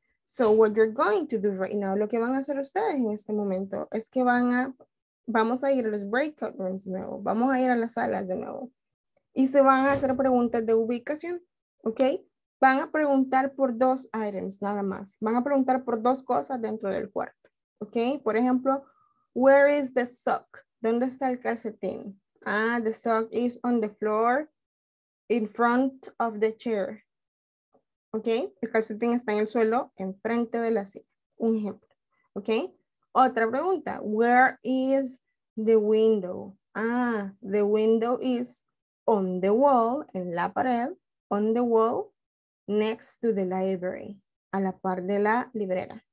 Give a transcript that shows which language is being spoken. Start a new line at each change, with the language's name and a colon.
English: So what you're going to do right now,
Spanish: lo que van a hacer ustedes en este momento, es que vamos a ir a los breakout rooms de nuevo, vamos a ir a las salas de nuevo, y se van a hacer preguntas de ubicación, okay? Van a preguntar por dos items, nada más, van a preguntar por dos cosas dentro del cuarto. Okay, por ejemplo,
English: where is the sock?
Spanish: ¿Dónde está el calcetín?
English: Ah, the sock is on the floor in front of the chair.
Spanish: Okay, el calcetín está en el suelo enfrente de la silla. Un ejemplo. Okay, otra pregunta.
English: Where is the window? Ah, the window is on the wall,
Spanish: en la pared,
English: on the wall next to the library,
Spanish: a la par de la librera.